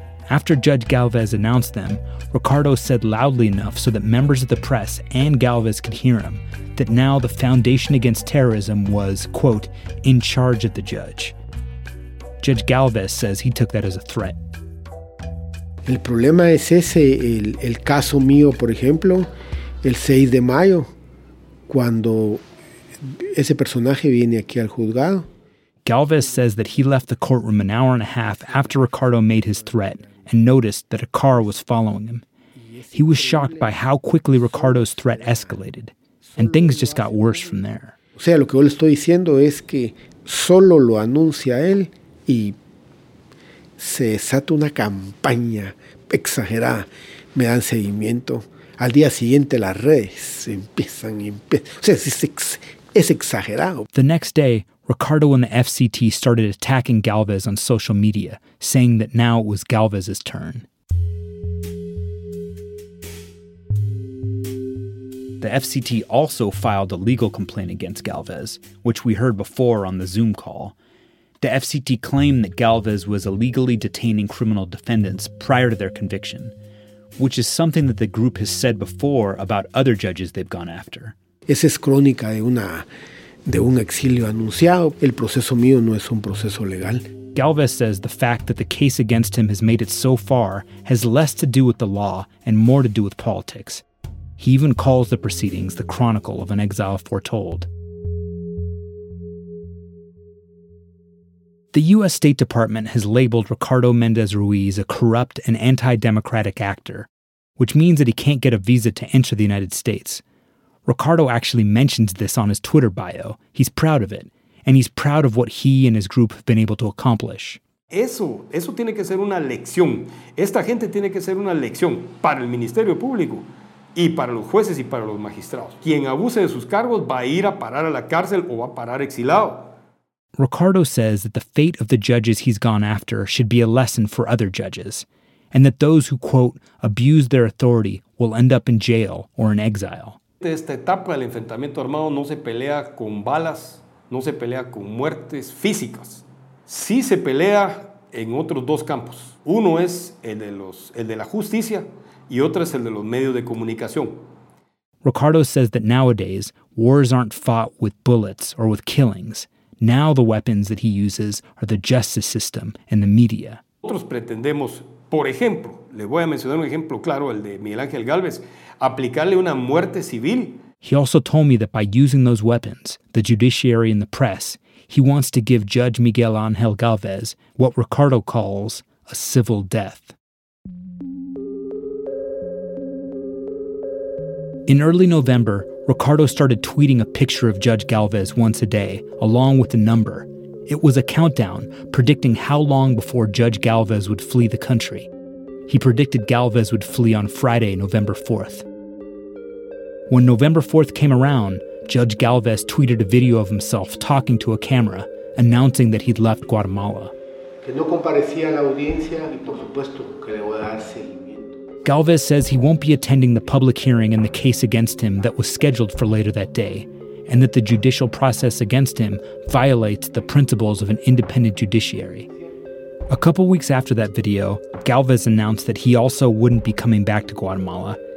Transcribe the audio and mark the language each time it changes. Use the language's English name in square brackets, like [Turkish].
[English] After Judge Galvez announced them, Ricardo said loudly enough so that members of the press and Galvez could hear him that now the Foundation Against Terrorism was, quote, in charge of the judge. Judge Galvez says he took that as a threat. [Spanish] El problema es ese, el caso mío, por ejemplo, el 6 de mayo, cuando ese personaje viene aquí al juzgado. [English] Galvez says that he left the courtroom an hour and a half after Ricardo made his threat and noticed that a car was following him. He was shocked by how quickly Ricardo's threat escalated, and things just got worse from there. [Spanish] O sea, lo que yo le estoy diciendo es que solo lo anuncia él y se desata una campaña exagerada. Me dan seguimiento. Al día siguiente las redes empiezan. O sea, es exagerado. [English] The next day, Ricardo and the FCT started attacking Galvez on social media, saying that now it was Galvez's turn. The FCT also filed a legal complaint against Galvez, which we heard before on the Zoom call. The FCT claimed that Galvez was illegally detaining criminal defendants prior to their conviction, which is something that the group has said before about other judges they've gone after. [Spanish] Esa es crónica de una... de un exilio anunciado. El proceso mío no es un proceso legal. [English] Galvez says the fact that the case against him has made it so far has less to do with the law and more to do with politics. He even calls the proceedings the chronicle of an exile foretold. The U.S. State Department has labeled Ricardo Méndez-Ruiz a corrupt and anti-democratic actor, which means that he can't get a visa to enter the United States. Ricardo actually mentions this on his Twitter bio. He's proud of it, and he's proud of what he and his group have been able to accomplish. [Spanish] Eso tiene que ser una lección. Esta gente tiene que ser una lección para el Ministerio Público y para los jueces y para los magistrados. Quien abuse de sus cargos va a ir a parar a la cárcel o va a parar exilado. [English] Ricardo says that the fate of the judges he's gone after should be a lesson for other judges, and that those who, quote, abuse their authority will end up in jail or in exile. [Spanish] Esta etapa del enfrentamiento armado no se pelea con balas, no se pelea con muertes físicas. Sí se pelea en otros dos campos. Uno es el de la justicia y otro es el de los medios de comunicación. [English] Ricardo says that nowadays, wars aren't fought with bullets or with killings. Now the weapons that he uses are the justice system and the media. [Spanish] Nosotros pretendemos, por ejemplo, le voy a mencionar un ejemplo claro, el de Miguel Ángel Gálvez, aplicarle una muerte civil. [English] He also told me that by using those weapons, the judiciary and the press, he wants to give Judge Miguel Ángel Gálvez what Ricardo calls a civil death. In early November, Ricardo started tweeting a picture of Judge Gálvez once a day, along with the number. It was a countdown, predicting how long before Judge Gálvez would flee the country. He predicted Gálvez would flee on Friday, November 4th. When November 4th came around, Judge Gálvez tweeted a video of himself talking to a camera, announcing that he'd left Guatemala. [Spanish] Que no comparecía a la audiencia y por supuesto que le voy a dar seguimiento. [English] Gálvez says he won't be attending the public hearing in the case against him that was scheduled for later that day, and that the judicial process against him violates the principles of an independent judiciary. A couple weeks after that video, Gálvez announced that he also wouldn't be coming back to Guatemala.